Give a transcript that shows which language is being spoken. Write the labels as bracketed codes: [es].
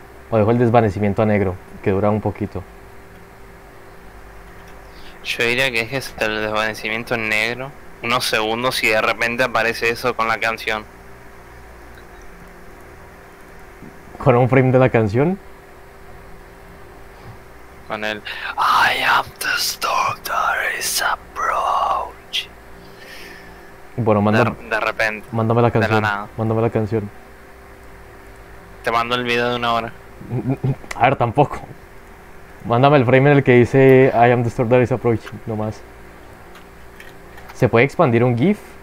[es] O dejo el desvanecimiento a negro, que dura un poquito. Yo diría que dejes el desvanecimiento en negro unos segundos y de repente aparece eso con la canción. ¿Con un frame de la canción? Con el [en] I am the storm that is approach. [es] Bueno, de repente. Mándame la canción. De la nada. Mándame la canción. Te mando el video de una hora. A ver, tampoco. Mándame el frame en el que dice [en] I am the storm that is approaching, [es] no más. ¿Se puede expandir un GIF?